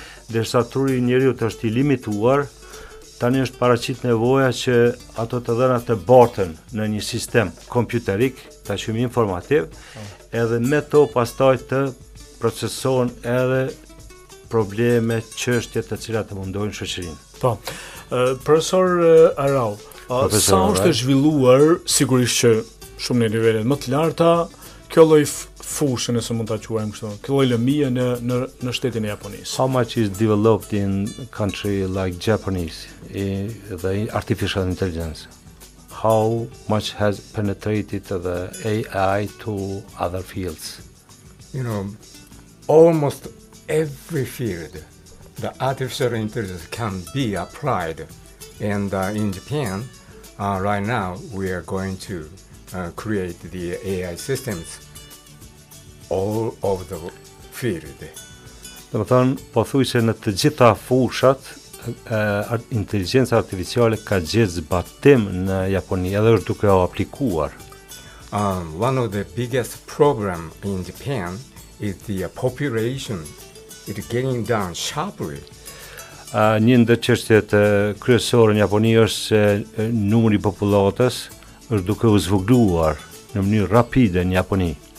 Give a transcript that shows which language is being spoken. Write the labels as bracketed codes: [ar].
[sq] Derisa truri i njerëzit është i limituar, tani është paraqit nevoja që ato të dhëna të bartën në një sistem kompjuterik, ta qujmë informativ, edhe me to pastaj të procesohen edhe probleme, çështje të cilat të mundojnë shoqërinë. Po. Profesor Arau, sa është e zhvilluar, sigurisht që shumë në nivelet më të larta, kjo lloj fushë, nëse mund ta quajmë kështu, kjo lloj lëmije në shtetin e Japonisë. [en] How much is developed in country like Japanese the artificial intelligence? How much has penetrated the AI to other fields? You know, almost every field the artificial intelligence can be applied, and in Japan right now we are going to create the AI systems all of the field. [sq] Domethënë pothuajse në të gjitha fushat inteligjenca artificiale ka gjetë zbatim në Japoni edhe është duke u aplikuar. [en] One of the biggest problem in Japan is the population it getting down sharply. [sq] Një ndër çështjet kryesore në Japoni është se numri i popullatës është duke u zvogëluar në mënyrë rapide në Japoni.